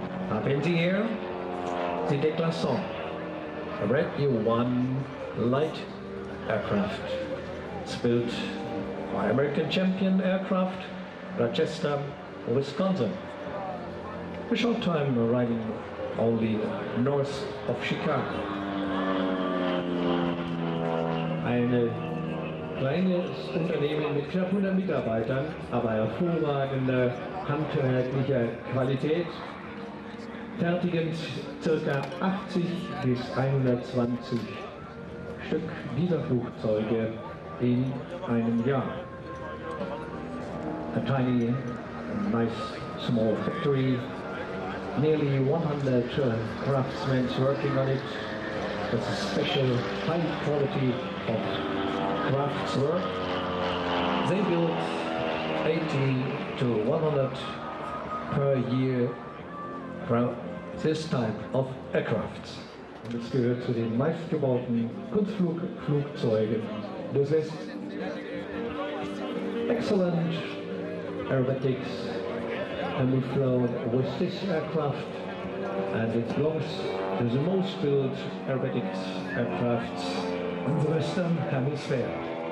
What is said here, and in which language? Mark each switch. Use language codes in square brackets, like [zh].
[en] Up into here, the Déclasson, a Red U-1 light aircraft, built by American Champion Aircraft, Rochester, Wisconsin. A short time arriving only north of Chicago. [de] Eine kleines Unternehmen mit knapp 100 Mitarbeitern, aber hervorragende handwerkliche Qualität, fertigen ca. 80 bis 120 Stück dieser Flugzeuge in einem Jahr. [en] A tiny, nice, small factory. Nearly 100 craftsmen working on it. It's a special high quality of crafts work. They built 80 to 100 per year from this type of aircraft. [de] Und es gehört zu den meistgebauten Kunstflugzeugen. Das ist [en] excellent aerobatics. And we flew with this aircraft, and it belongs to the most built aerobatics aircraft in the Western Hemisphere.